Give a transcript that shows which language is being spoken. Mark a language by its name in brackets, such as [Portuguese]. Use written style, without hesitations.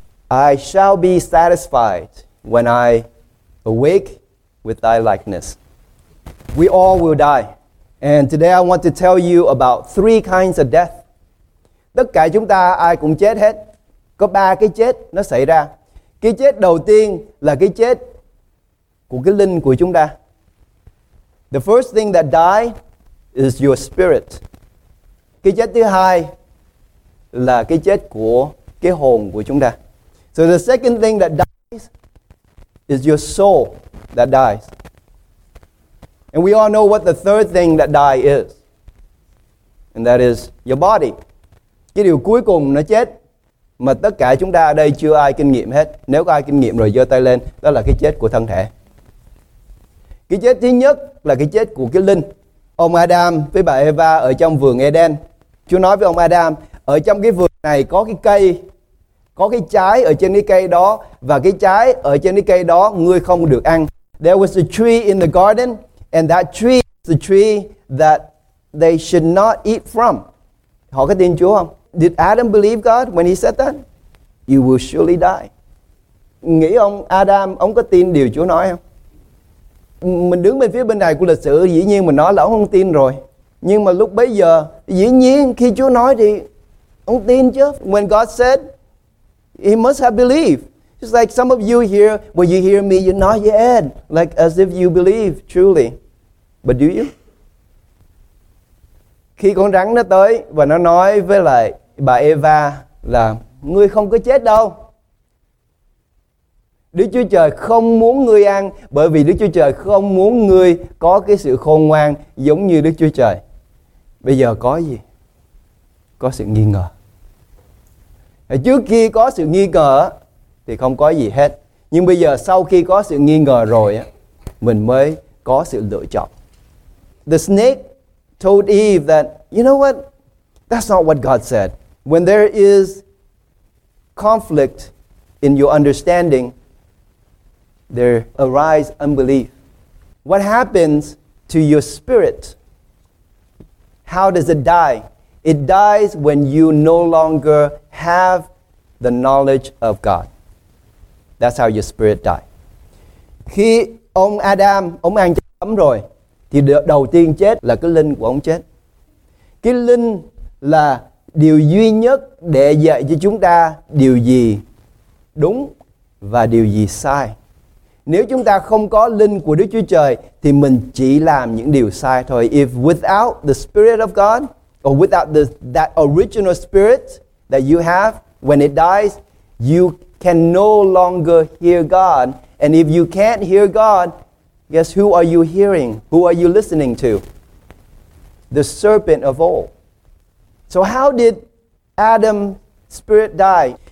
[English] I shall be satisfied when I awake with thy likeness. We all will die. And today I want to tell you about three kinds of death. [Vietnamese] Tất cả chúng ta ai cũng chết hết. Có ba cái chết nó xảy ra. Cái chết đầu tiên là cái chết của cái linh của chúng ta. [English] The first thing that die is your spirit. [Vietnamese] Cái chết thứ hai là cái chết của cái hồn của chúng ta. [English] So the second thing that dies is your soul that dies. And we all know what the third thing that die is. And that is your body. [Vietnamese] Cái điều cuối cùng nó chết mà tất cả chúng ta ở đây chưa ai kinh nghiệm hết. Nếu có ai kinh nghiệm rồi giơ tay lên, đó là cái chết của thân thể. Cái chết thứ nhất là cái chết của cái linh. Ông Adam với bà Eva ở trong vườn Eden. Chúa nói với ông Adam, ở trong cái vườn này có cái cây, có cái trái ở trên cái cây đó, và cái trái ở trên cái cây đó ngươi không được ăn. [English] There was a tree in the garden, and that tree is the tree that they should not eat from. [Vietnamese] Họ có tin Chúa không? [English] Did Adam believe God when he said that? You will surely die. [Vietnamese] Nghĩ ông Adam, ông có tin điều Chúa nói không? Mình đứng bên phía bên này của lịch sử, dĩ nhiên mình nói là ông không tin rồi. Nhưng mà lúc bấy giờ, dĩ nhiên khi Chúa nói thì ông tin chứ. [English] When God said, he must have believed. It's like some of you here, when you hear me, you nod your head, like as if you believe truly. But do you? [Vietnamese] Khi con rắn nó tới và nó nói với lại bà Eva là ngươi không có chết đâu. Đức Chúa Trời không muốn ngươi ăn, bởi vì Đức Chúa Trời không muốn ngươi có cái sự khôn ngoan giống như Đức Chúa Trời. Bây giờ có gì? Có sự nghi ngờ. Trước khi có sự nghi ngờ thì không có gì hết. Nhưng bây giờ sau khi có sự nghi ngờ rồi, mình mới có sự lựa chọn. [English] The snake told Eve that, you know what? That's not what God said. When there is conflict in your understanding, there arise unbelief. What happens to your spirit? How does it die? It dies when you no longer have the knowledge of God. That's how your spirit die. [Vietnamese] Khi ông Adam, ông ăn trái cấm rồi, thì đầu tiên chết là cái linh của ông chết. Cái linh là điều duy nhất để dạy cho chúng ta điều gì đúng và điều gì sai. Nếu chúng ta không có linh của Đức Chúa Trời thì mình chỉ làm những điều sai thôi. [English] If without the spirit of God, or without that original spirit that you have, when it dies, you can no longer hear God. And if you can't hear God, guess who are you hearing? Who are you listening to? The serpent of old. So how did Adam spirit died.